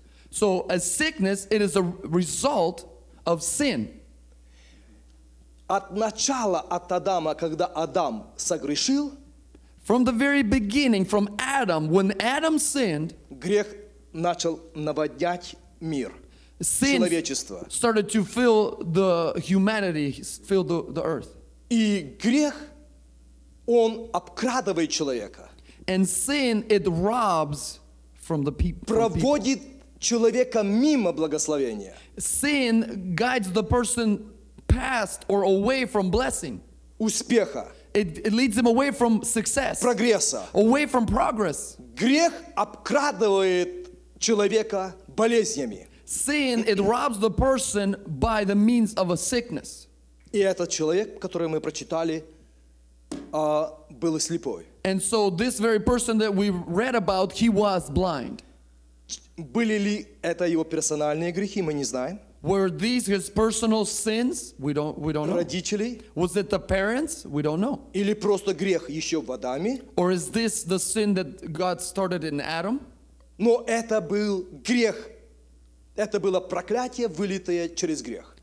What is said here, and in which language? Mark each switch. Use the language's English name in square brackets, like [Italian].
[English] So a sickness it is a result of sin. [Russian] От начала от Адама, когда Адам согрешил, [English] from the very beginning, from Adam, when Adam sinned, [Russian] грех начал наводнять мир, человечество. [English] Sin started to fill the humanity, fill the earth. [Russian] И грех, он обкрадывает человека. [English] And sin, it robs from the people. [Russian] Проводит человека мимо благословения. [English] Sin guides the person past or away from blessing. [Russian] Успеха. [English] It leads him away from success. [Russian] Прогресса. [English] Away from progress. [Russian] Грех обкрадывает человека болезнями. [English] Sin, it robs the person by the means of a sickness. [Russian] И этот человек, который мы прочитали, был слепой. [English] And so this very person that we read about, he was blind. [Russian] Были ли это его персональные грехи, мы не знаем. [English] Were these his personal sins? We don't know. [Russian] Родители? [English] Was it the parents? We don't know. [Russian] Или просто грех еще в Адаме? [English] Or is this the sin that God started in Adam? [Russian] Но это был грех. Это было проклятие, вылитое через грех.